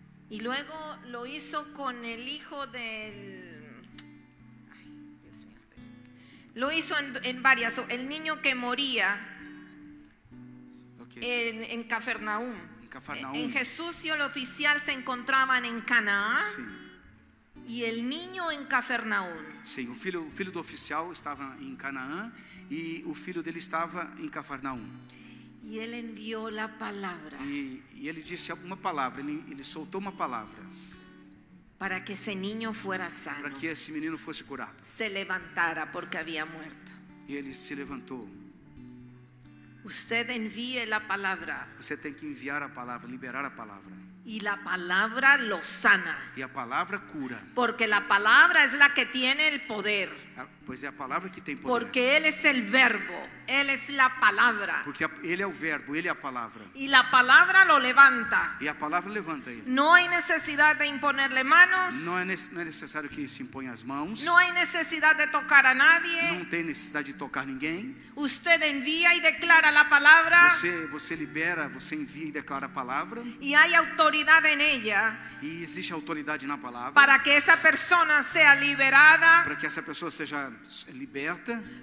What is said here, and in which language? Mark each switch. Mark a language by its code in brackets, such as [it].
[es] Y luego lo hizo con el hijo del. Lo hizo en varias. El niño que moría. Okay. En Cafarnaúm. [pt] Cafarnaum. [es] En Jesús y el oficial se encontraban en Canaán. [pt] Sim. [es] Y el niño en Cafarnaúm. [pt] Sim, o filho do oficial estava em Canaã e o filho dele estava em Cafarnaúm. [es] Y él envió la palabra. [pt] E ele disse alguma palavra, ele soltou uma palavra. [es] Para que ese niño fuera sano. [pt] Para que esse menino fosse curado. [es] Se levantara porque había muerto. [pt] E ele se levantou. [es] Usted envíe la palabra. [pt] Você tem que enviar a palavra, liberar a palavra. [es] Y la palabra lo sana. [pt] E a palavra cura. [es] Porque la palabra es la que tiene el poder. [pt] Pois é a palavra que tem poder. [es] Porque él es el verbo, él es la palabra. [pt] Porque ele é o verbo, ele é a palavra. [es] Y la palabra lo levanta. [pt] E a palavra levanta ele. [es] No hay necesidad de imponerle manos. [pt] Não é necessário que se imponha as mãos. [es] No hay necesidad de tocar a nadie. [pt] Não tem necessidade de tocar ninguém. [es] Usted envía y declara la palabra. [pt] Você libera, você envia e declara a palavra. [es] Y hay autoridad en ella. [pt] E existe autoridade na palavra. [es] Para que esa persona sea liberada. [pt] Para que essa pessoa seja liberta,